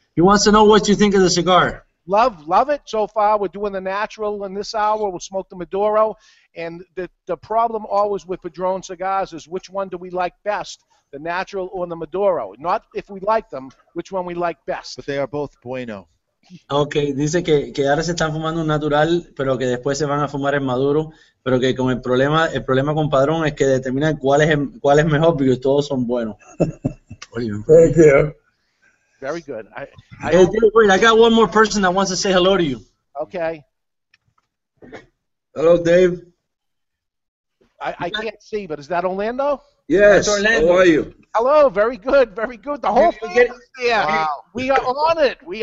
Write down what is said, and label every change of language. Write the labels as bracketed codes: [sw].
[en] he wants to know what you think of the cigar. Love it so far. We're doing the natural in this hour. We'll smoke the Maduro. And the problem always with Padron cigars is which one do we like best, the natural or the Maduro? Not if we like them, which one we like best. But they are both bueno. [es] Okay, dice que ahora se están fumando un natural, pero que después se van a fumar el Maduro. Pero que con el problema con Padron es que determina cuál es mejor, porque todos son buenos. [en] Thank you. Very good. Wait, I got one more person that wants to say hello to you. Okay. Hello, Dave. I can't see, but is that Orlando? Yes, Orlando. How are you? Hello, very good, very good. The whole family is there. Wow. We are on it.